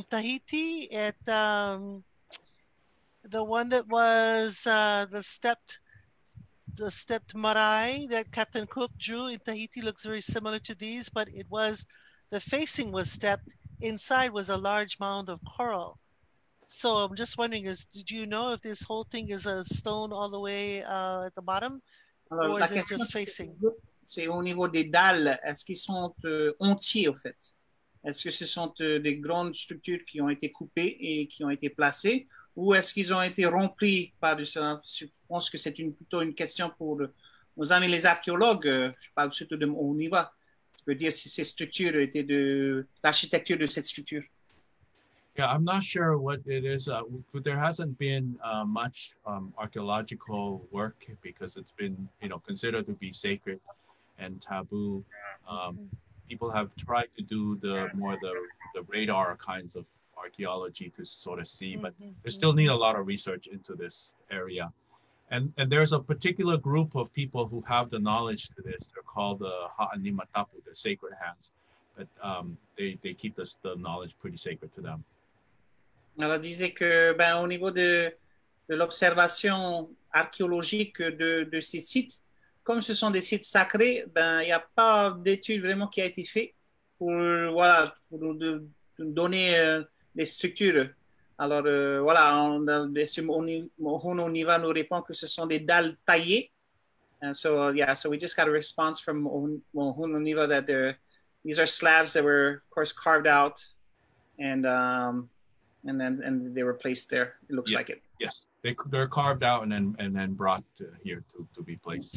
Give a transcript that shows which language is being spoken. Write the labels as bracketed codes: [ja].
[en] In Tahiti, at the one that was the stepped marae that Captain Cook drew in Tahiti looks very similar to these, but it was, the facing was stepped, inside was a large mound of coral. So I'm just wondering, did you know if this whole thing is a stone all the way at the bottom? [fr] Alors, [en] or is it just facing? [fr] C'est au niveau des dalles, est-ce qu'ils sont entiers, au fait? Est-ce que ce sont des grandes structures qui ont été coupées et qui ont été placées? Ou est-ce qu'ils ont été remplis par du sol? Je pense que c'est plutôt une question pour nos amis les archéologues. Je parle surtout de mon niveau. Tu peux dire si ces structures étaient de l'architecture de cette structure? [en] Yeah, I'm not sure what it is, but there hasn't been much archaeological work because it's been, you know, considered to be sacred and taboo. People have tried to do the radar kinds of archaeology to sort of see, but they still need a lot of research into this area. And there's a particular group of people who have the knowledge to this. They're called the Ha'animatapu, the sacred hands, but they keep the knowledge pretty sacred to them. [fr] Alors, disait que, ben, au niveau de l'observation archéologique de ces sites, comme ce sont des sites sacrés, ben, il n'y a pas d'étude vraiment qui a été faite pour, voilà, pour nous donner les structures. Alors, voilà, Hononiva nous répond que ce sont des dalles taillées. [en] And so, yeah, so we just got a response from Hononiva that these are slabs that were, of course, carved out. And then they were placed there. It looks like it. Yes, they're carved out and then brought here to be placed.